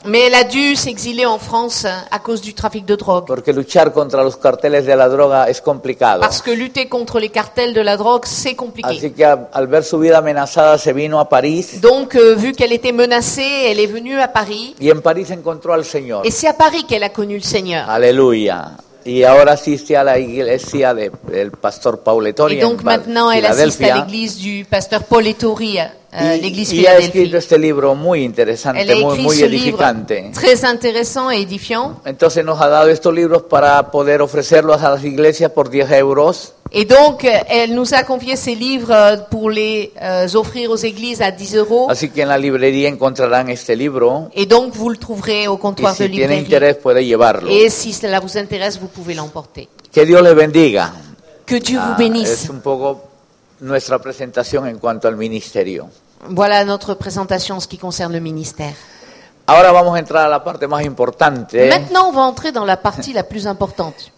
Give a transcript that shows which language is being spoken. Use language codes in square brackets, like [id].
[fr] Mais elle a dû s'exiler en France à cause du trafic de drogue. [es] Porque luchar contra los carteles de la droga es complicado. [fr] Parce que lutter contre les cartels de la drogue, c'est compliqué. [es] Así que al ver su vida amenazada, se vino a París. [fr] Donc, vu qu'elle était menacée, elle est venue à Paris. [es] Y en París encontró al Señor. [fr] Et c'est à Paris qu'elle a connu le Seigneur. [es] Aleluya. Y ahora asiste a la iglesia del pastor Pauletori. [fr] Et donc maintenant elle assiste à l'église du pasteur Pauletori, l'église Philadelphie. [es] Y ha escrito este libro muy interesante, muy edificante. [fr] Très intéressant et édifiant. [es] Entonces nos ha dado estos libros para poder ofrecerlos a las iglesias por 10 euros. [fr] Et donc elle nous a confié ces livres pour les offrir aux églises à 10 euros. [es] Así que en la librería encontrarán este libro. [fr] Et donc vous le trouverez au comptoir [es] si [fr] de librairie. [es] Si tiene interés puede llevarlo. [fr] Et si cela vous intéresse, vous pouvez l'emporter. [es] Que Dios les bendiga. [fr] Que Dieu vous bénisse. [es] Es un poco nuestra presentación en cuanto al ministerio. [fr] Voilà notre présentation en ce qui concerne le ministère. [es] Ahora vamos a entrar a la parte más importante. [fr] Maintenant, on va entrer dans la partie la plus importante.